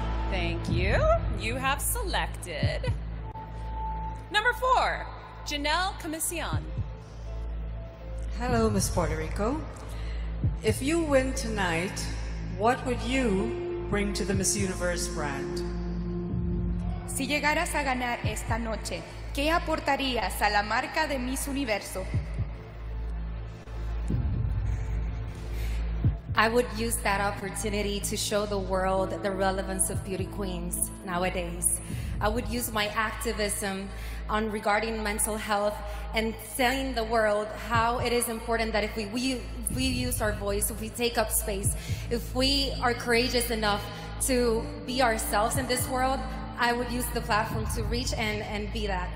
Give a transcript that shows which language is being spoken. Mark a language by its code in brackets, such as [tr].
[en] Thank you. You have selected. Number 4, Janelle Comisión. Hello, Miss Puerto Rico. If you win tonight, what would you bring to the Miss Universe brand? [es] Si llegaras a ganar esta noche, ¿qué aportarías a la marca de Miss Universo? [en] I would use that opportunity to show the world the relevance of beauty queens nowadays. I would use my activism on regarding mental health and telling the world how it is important that if we use our voice, if we take up space, if we are courageous enough to be ourselves in this world, I would use the platform to reach and be that.